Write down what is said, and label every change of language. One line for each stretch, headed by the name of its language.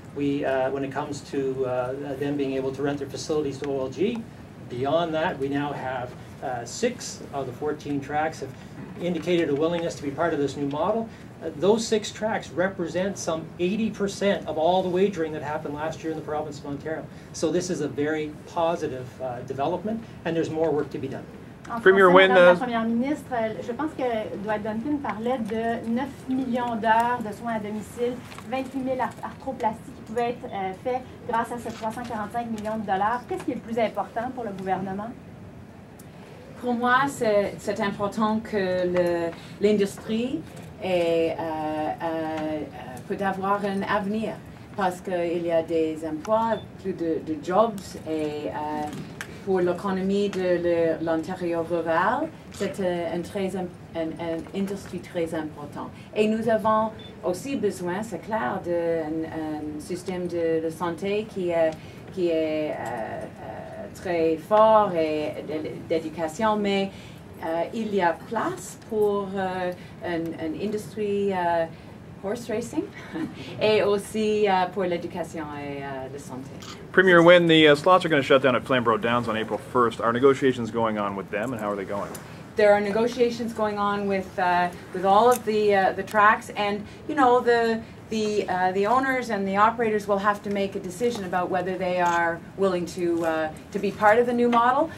English: When it comes to them being able to rent their facilities to OLG, beyond that, we now have six of the 14 tracks have indicated a willingness to be part of this new model. Those six tracks represent some 80% of all the wagering that happened last year in the province of Ontario. So this is a very positive development, and there's more work to be done.
French: En Premier Wynne, la première ministre, je pense que Dwight Duncan parlait de 9 millions d'heures de soins à domicile, 28 000 arthroplasties qui pouvaient être faites grâce à ces 345 millions de dollars. Qu'est-ce qui est le plus important pour le gouvernement? Pour moi, c'est important que l'industrie peut avoir un avenir parce qu'il y a des emplois, plus de jobs et pour l'économie de l'Ontario rural, c'est une industrie très importante. Et nous avons aussi besoin, c'est clair, d'un système de santé qui est très fort et d'éducation, mais il y a place pour une industrie
English: horse racing
French: et aussi pour l'éducation et la santé.
English: Premier Wynne, the slots are going to shut down at Flamborough Downs on April 1st. Are negotiations going on with them, and how are they going? There are negotiations going on with all of the tracks, and you know the owners and the operators will have to make a decision about whether they are willing to be part of the new model.